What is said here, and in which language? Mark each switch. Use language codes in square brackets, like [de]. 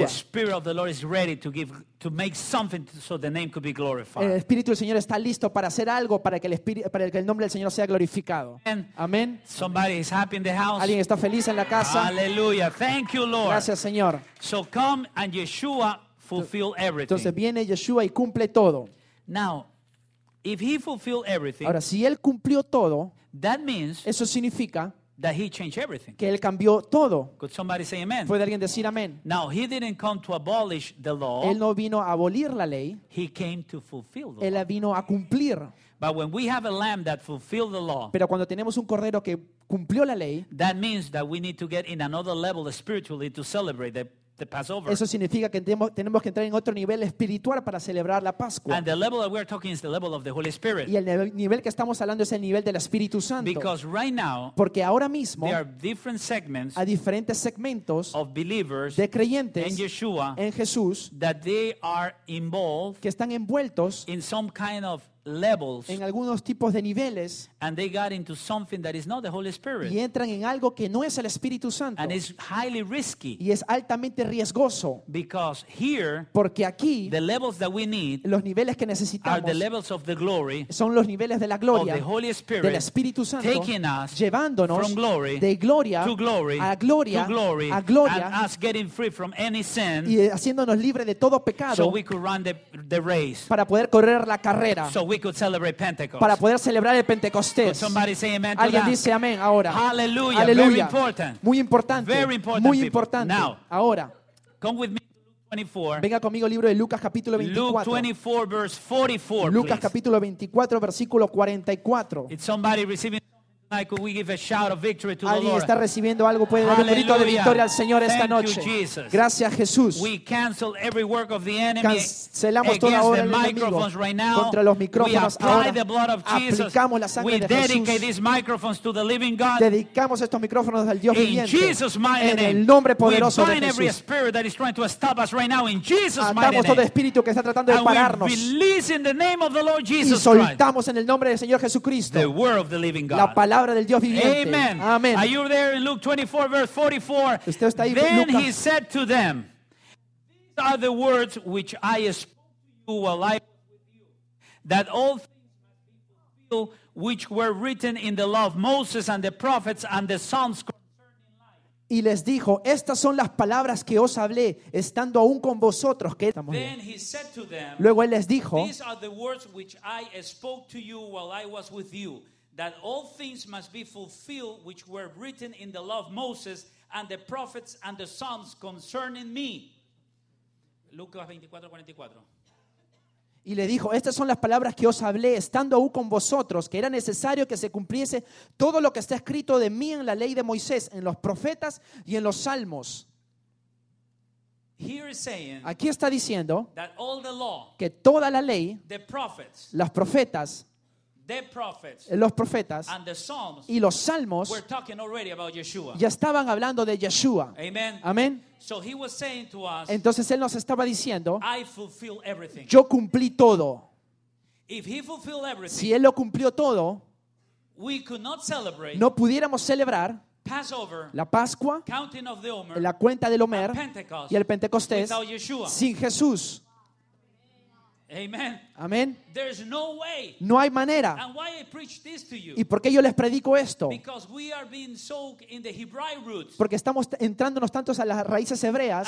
[en] The Spirit of the Lord is ready to give to make something so the name could be glorified. [es] El Espíritu del Señor está listo para hacer algo para que el nombre del Señor sea glorificado. Amén. [en] Somebody is happy in the house. [es] Alguien está feliz en la casa. [en] Aleluya. Thank you, Lord. [es] Gracias, Señor. [en] So come and Yeshua fulfill everything. [es] Entonces viene Yeshua y cumple todo. [en] Now, if he fulfilled everything, [es] ahora si él cumplió todo, [en] that means [es] eso significa [en] that he changed everything. [es] Que él cambió todo. [en] Could somebody say amen? [es] ¿Puede alguien decir amén? [en] Now, he didn't come to abolish the law. [es] Él no vino a abolir la ley. [en] He came to fulfill the [es] él [en] law. [es] Él vino a cumplir. [en] But when we have a lamb that fulfilled the law, [es] pero cuando tenemos un cordero que cumplió la ley, [en] that means that we need to get in another level spiritually to celebrate the Passover. [es] Eso significa que tenemos que entrar en otro nivel espiritual para celebrar la Pascua. [en] And the level that we are talking is the level of the Holy Spirit. [es] Y el nivel que estamos hablando es el nivel del Espíritu Santo. [en] Because right now, [es] porque ahora mismo, [en] there are different segments, [es] hay diferentes segmentos [en] of believers, [es] de creyentes, [en] in Yeshua, [es] en Jesús, [en] that they are involved, [es] que están envueltos, [en] in some kind of levels, [es] en algunos tipos de niveles, [en] and they got into something that is not the Holy Spirit, [es] y entran en algo que no es el Espíritu Santo, [en] and it's highly risky, [es] y es altamente riesgoso, [en] because here, [es] porque aquí, [en] the levels that we need, [es] los niveles que necesitamos, [en] are the levels of the glory, [es] son los niveles de la gloria, [en] of the Holy Spirit, [es] del Espíritu Santo, [en] taking us, [es] llevándonos, [en] from glory, [es] de gloria, [en] to glory, [es] a gloria, [en] to glory, [es] a gloria, [en] and us getting free from any sin, [es] y haciéndonos libre de todo pecado, [en] so we could run the race, [es] para poder correr la carrera, [en] so we could celebrate Pentecost. [es] Para poder celebrar el Pentecostés. [en] Could somebody say amen to [es] alguien [en] that? [es] Dice amén ahora. [en] Hallelujah. [es] Hallelujah. [en] Very important. [es] Muy importante. [en] Very important, [es] muy importante. [en] Now, [es] ahora. [en] Come with me to Luke 24. [es] Venga conmigo al libro de Lucas capítulo 24. [en] Luke 24 verse 44. [es] Lucas [en] please. [es] Capítulo 24 versículo 44. [en] If somebody receiving tonight, could we give a shout of victory to the Lord? [es] Alguien está recibiendo algo, puede dar un grito de victoria al Señor esta noche. [en] Thank you, Jesus. [es] Gracias, Jesús. [en] We cancel every work of the enemy. [es] Cancelamos toda obra del enemigo contra los micrófonos ahora. Aplicamos la sangre de Jesús. [en] We dedicate these microphones to the living God. [es] Dedicamos estos micrófonos al Dios viviente. [en] In Jesus' mighty name. [es] En el nombre poderoso de Jesús. [en] We bind every spirit that is trying to stop us right now in Jesus' mighty name. [es] Atamos todo espíritu que está tratando de pararnos. [en] And we release in the name of the Lord Jesus Christ. [es] Y soltamos en el nombre del Señor Jesucristo. [en] The word of the living God. [es] La palabra del Dios viviente. [en] Amen. [es] Amen. [en] Are you there in Luke 24, verse 44? [es] Usted está ahí, [en] then [es] Lucas. [en] He said to them, these are the words which I spoke to you while I was with you, that all things which were written in the law of Moses and the prophets and the Psalms concerning life. [es] Y les dijo, estas son las palabras que os hablé estando aún con vosotros. Que estamos [en] then bien. He said to them, [es] luego él les dijo, [en] these are the words which I spoke to you while I was with you, that all things must be fulfilled which were written in the law of Moses and the prophets and the Psalms concerning me. [es] Lucas 24:44. Y le dijo, estas son las palabras que os hablé estando aún con vosotros, que era necesario que se cumpliese todo lo que está escrito de mí en la ley de Moisés, en los profetas y en los salmos. [en] Here is saying, [es] aquí está diciendo [en] that all the law, [es] que toda la ley, [en] the prophets, [es] los profetas, [en] the prophets, [es] los profetas, [en] and the Psalms, [es] y los salmos, [en] were talking already about Yeshua. [es] Ya estaban hablando de Yeshua. [en] Amen. [es] Amen. [en] So he was saying to us, [es] entonces él nos estaba diciendo, [en] I fulfill everything. [es] Yo cumplí todo. [en] If he fulfilled everything, [es] si él lo cumplió todo, [en] we could not celebrate, [es] no pudiéramos celebrar [en] Passover, [es] la Pascua, [en] counting of the Omer, [es] la cuenta del Omer, [en] Pentecost, [es] y el Pentecostés, [en] without Yeshua. [es] Sin Jesús. [en] Amen. [es] Amen. [en] There's no way. [es] No hay manera. [en] And why I preach this to you? [es] ¿Y por qué yo les predico esto? [en] Because we are being soaked in the Hebraic roots. [es] Porque estamos entrándonos tantos a las raíces hebreas.